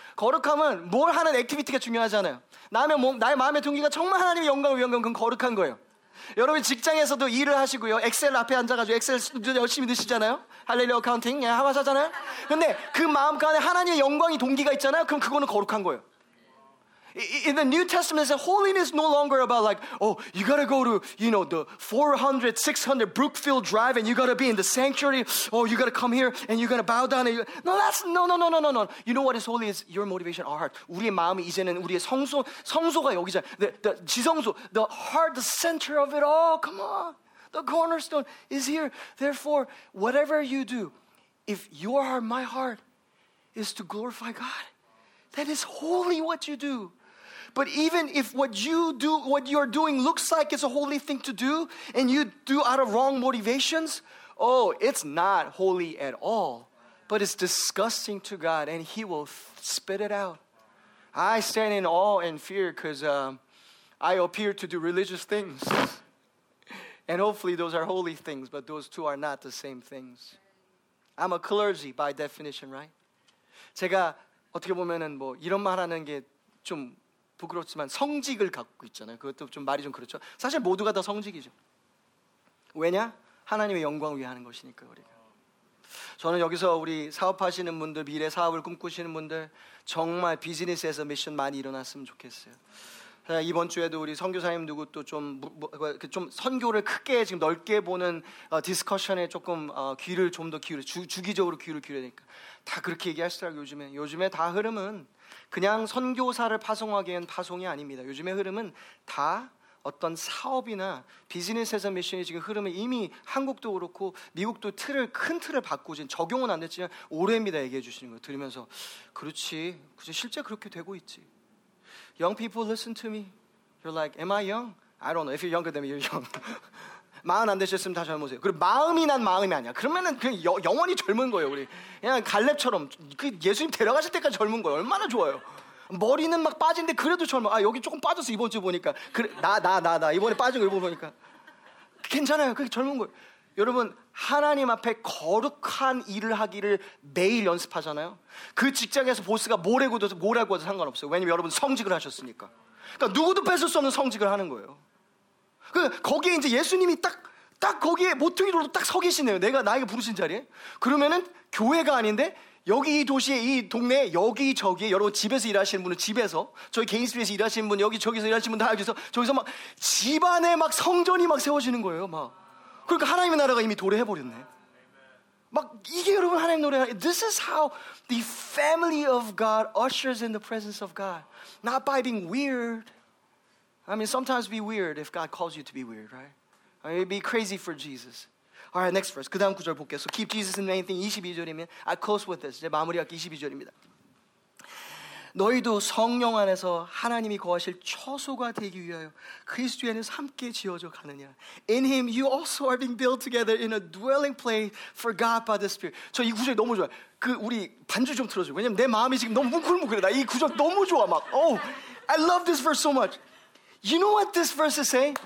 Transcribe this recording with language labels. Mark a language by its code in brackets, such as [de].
[ko] 거룩함은 뭘 하는 액티비티가 중요하잖아요. 나의 마음의 동기가 정말 하나님의 영광을 위한 건 그건 거룩한 거예요. 여러분 직장에서도 일을 하시고요. 엑셀 앞에 앉아가지고 엑셀 열심히 넣으시잖아요. 할렐루야 어카운팅 예, 하마사잖아요. 근데 그 마음 가운데 하나님의 영광이 동기가 있잖아요. 그럼 그거는 거룩한 거예요. [en] In the New Testament, holiness is no longer about like, oh, you gotta go to, you know, the 400, 600 Brookfield Drive and you gotta be in the sanctuary. Oh, you gotta come here and you're gonna bow down. And you... No, that's, no. You know what is holy is your motivation, our heart. [ko] 우리의 마음이 이제는 우리의 성소가 여기잖아. [en] The 지성소, the heart, the center of it all. Come on. The cornerstone is here. Therefore, whatever you do, if your heart, my heart, is to glorify God, that is holy what you do. But even if what you do, what you're doing looks like it's a holy thing to do, and you do out of wrong motivations, oh, it's not holy at all. But it's disgusting to God, and he will spit it out. I stand in awe and fear because I appear to do religious things. And hopefully those are holy things, but those two are not the same things. I'm a clergy by definition, right? [ko] 제가 어떻게 보면은 뭐 이런 말 하는 게 좀 부끄럽지만 성직을 갖고 있잖아요. 그것도 좀 말이 좀 그렇죠. 사실 모두가 다 성직이죠. 왜냐? 하나님의 영광을 위해 하는 것이니까 우리가. 저는 여기서 우리 사업하시는 분들, 미래 사업을 꿈꾸시는 분들 정말 비즈니스에서 미션 많이 일어났으면 좋겠어요. 이번 주에도 우리 선교사님 누구 또 좀 선교를 크게 지금 넓게 보는 디스커션에 조금 귀를 좀 더 기울여 주기적으로 귀를 기울여야 되니까 다 그렇게 얘기하시더라고요. 요즘에 다 흐름은 그냥 선교사를 파송하기엔 파송이 아닙니다. 요즘의 흐름은 다 어떤 사업이나 비즈니스에서 미션이 지금 흐름은 이미 한국도 그렇고 미국도 틀을 큰 틀을 바꾸진 적용은 안 됐지만 오래입니다. 얘기해 주시는 거 들으면서 그렇지 실제 그렇게 되고 있지. [en] Young people, listen to me. You're like, am I young? I don't know. If you're younger than me, you're young. [ko] 마흔 안 되셨으면 다시 한번 보세요. 그리고 마음이 난 마음이 아니야. 그러면은 그냥 영원히 젊은 거예요, 우리. 그냥 갈렙처럼. 그 예수님 데려가실 때까지 젊은 거예요. 얼마나 좋아요. 머리는 막 빠진데 그래도 젊어. 아 여기 조금 빠졌어 이번 주 보니까. 그래, 나 이번에 빠진 거 이번 보니까. 괜찮아요. 그게 젊은 거예요. 여러분 하나님 앞에 거룩한 일을 하기를 매일 연습하잖아요. 그 직장에서 보스가 뭐라고 해도 상관없어요. 왜냐면 여러분 성직을 하셨으니까. 그러니까 누구도 뺏을 수 없는 성직을 하는 거예요. 그 거기에 이제 예수님이 딱 거기에 모퉁이돌로 딱 서 계시네요. 내가 나에게 부르신 자리에. 그러면은 교회가 아닌데 여기 이 도시에 이 동네에 여기저기에 여러분 집에서 일하시는 분은 집에서 저희 개인 스페이스에서 일하시는 분 여기 저기서 일하시는 분 다 여기서 저기서 막 집안에 막 성전이 막 세워지는 거예요. 막 그러니까 하나님의 나라가 이미 도래해버렸네. 막 이게 여러분 하나님 노래 [en] This is how the family of God ushers in the presence of God. Not by being weird. I mean, sometimes be weird if God calls you to be weird, right? I mean, be crazy for Jesus. All right, next verse. [ko] 그 다음 구절 볼게요. [en] So keep Jesus in the main thing. [ko] 22절이면 [en] I close with this. [ko] 이제 마무리할게 22절입니다. 너희도 성령 안에서 하나님이 거하실 처소가 되기 위하여 그리스도 안에서 함께 지어져 가느냐. [en] In him you also are being built together in a dwelling place for God by the Spirit. [ko] 저 이 구절이 너무 좋아요. 그 우리 반주 좀 틀어줘. 왜냐면 내 마음이 지금 너무 뭉클뭉클해. 나 이 구절 너무 좋아. [en] 막 Oh, I love this verse so much. You know what this verse is saying?